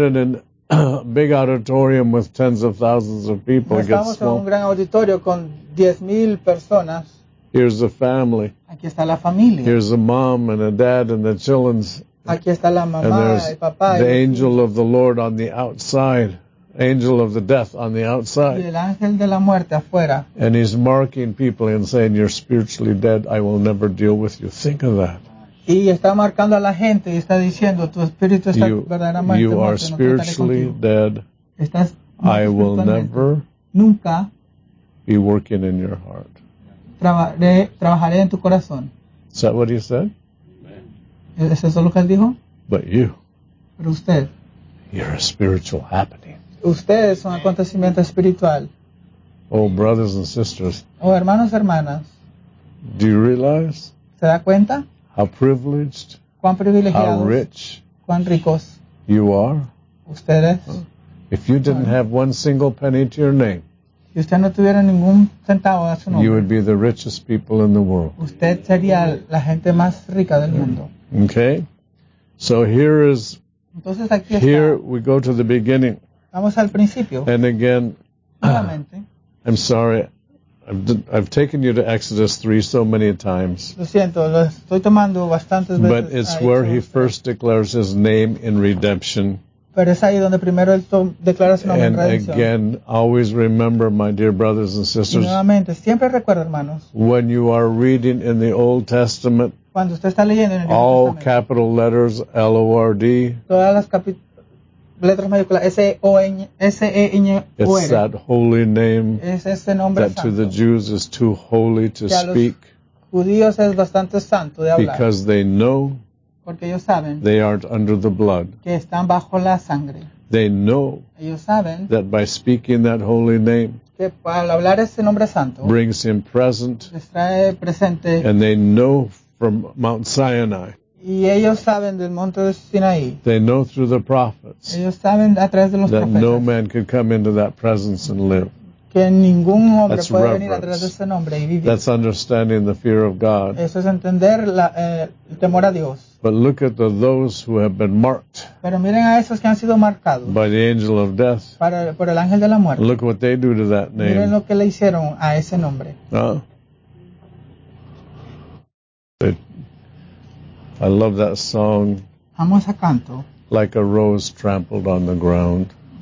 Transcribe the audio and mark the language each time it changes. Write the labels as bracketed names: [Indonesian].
[English] Not in a big auditorium with tens of thousands of people. [Spanish] No estamos en un gran auditorio con 10,000 personas. [English] Here's the family. [Spanish] Aquí está la familia. [English] Here's a mom and a dad and the children. [Spanish] Aquí está la mamá, [English] and there's [Spanish] el papá, [English] the angel of the Lord on the outside. Angel of the death on the outside. [Spanish] Y el ángel de la muerte afuera. [English] And he's marking people and saying, you're spiritually dead. I will never deal with you. Think of that. [Spanish] Y está marcando a la gente y está diciendo, tu espíritu está verdaderamente [English] you are spiritually [Spanish] no [English] dead. [Spanish] Estás [English] I will never [Spanish] nunca [English] be working in your heart. [Spanish] Trabajaré en tu corazón. [English] Is that what he said? [Spanish] ¿Es eso lo que él dijo? [English] But you. [Spanish] Pero usted. [English] You're a spiritual happening. [Spanish] Usted es un acontecimiento espiritual. [English] Oh, brothers and sisters. [Spanish] Oh, hermanos, hermanas. [English] Do you realize? [Spanish] ¿Se da cuenta? [English] How privileged. [Spanish] ¿Cuán privilegiados? [English] How rich. [Spanish] ¿Cuán ricos? [English] You are. [Spanish] Ustedes. [English] If you didn't have one single penny to your name. [Spanish] Si usted no tuviera ningún centavo a su nombre, [English] you would be the richest people in the world. [Spanish] Usted sería la gente más rica del mundo. [English] Okay. So here is. [Spanish] Entonces aquí está. [English] Here we go to the beginning. [Spanish] Vamos al principio. [English] And again. [Spanish] Nuevamente. [English] I'm sorry. I've taken you to Exodus 3 so many times. [Spanish] Lo siento, lo estoy tomando bastantes veces. [English] But it's where he first declares his name in redemption. [Spanish] Pero es ahí donde primero él declara su nombre [English] and [Spanish] en redención. [English] Again, always remember, my dear brothers and sisters. [Spanish] Y nuevamente, siempre recuerda, hermanos. [English] When you are reading in the Old Testament, [Spanish] cuando usted está leyendo en el [English] all capital letters, L-O-R-D. [Spanish] Todas las letras mayúsculas, S-O-N, S-E-N-O-R. [English] It's that holy name [Spanish] es ese nombre [English] that [Spanish] santo. [English] To the Jews is too holy to speak. [Spanish] Los judíos es bastante santo de hablar. [English] Because they know. [Spanish] Porque ellos saben [English] they aren't under the blood. [Spanish] Que están bajo la sangre. [English] They know [Spanish] ellos saben [English] that by speaking that holy name [Spanish] que al hablar ese nombre santo [English] brings him present. [Spanish] Les trae presente. [English] And they know from Mount Sinai. [Spanish] Y ellos saben del monte de Sinaí. [English] They know through the prophets [Spanish] ellos saben a través de los [English] that [Spanish] profetas [English] no man could come into that presence and live. [Spanish] Que ningún hombre [English] that's [Spanish] puede [English] reverence. [Spanish] Venir a través de ese nombre y vivir. [English] That's understanding the fear of God. [Spanish] Eso es entender el temor a Dios. [English] But look at those who have been marked. [Spanish] Pero miren a esos que han sido marcados. [English] By the angel of death. [Spanish] Por el ángel de la muerte. [English] Look what they do to that name. [Spanish] Miren lo que le hicieron a ese nombre. [English] I love that song. [Spanish] Amo ese canto. [English] like a rose trampled on the ground.